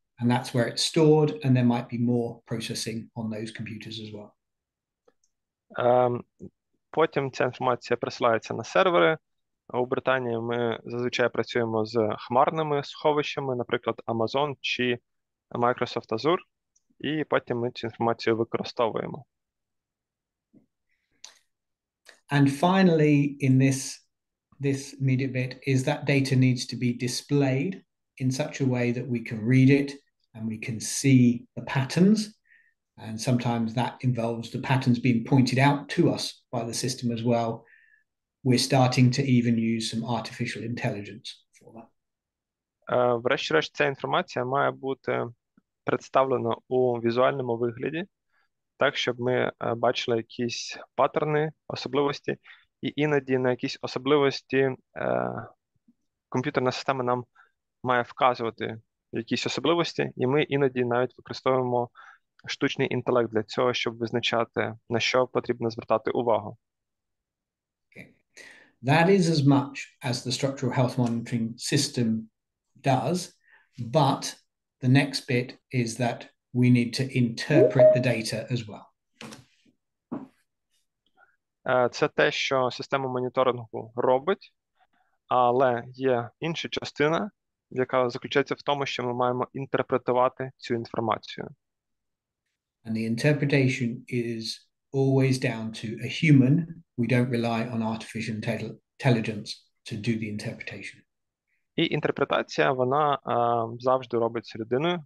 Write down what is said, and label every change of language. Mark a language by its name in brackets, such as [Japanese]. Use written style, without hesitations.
[English] And that's where it's stored, and there might be more processing on those computers as well. [Ukrainian] Потім ця інформація присилається на сервери. У Британії ми зазвичай працюємо з хмарними сховищами, наприклад, Amazon чи Microsoft Azure, і потім ми цю інформацію використовуємо. [English] And finally, in this media bit, is that data needs to be displayed in such a way that we can read it and we can see the patterns. And sometimes that involves the patterns being pointed out to us by the system as well. We're starting to even use some artificial intelligence for that. [Ukrainian] Врешті-решт, ця інформація має бути представлена у візуальному вигляді, так, щоб ми бачили якісь паттерни, особливості, і іноді на якісь особливості комп'ютерна система нам має вказувати якісь особливості, і ми іноді навіть використовуємо штучний інтелект для цього, щоб визначати, на що потрібно звертати увагу. [English] Okay. That is as much as the structural health monitoring system does, but the next bit is that we need to interpret the data as well. [Ukrainian] Це те, що система моніторингу робить, але є інша частина, яка заключається в тому, що ми маємо інтерпретувати цю інформацію. [English] And the interpretation is always down to a human. We don't rely on artificial intelligence to do the interpretation. [Ukrainian] І інтерпретація, вона завжди робиться людиною.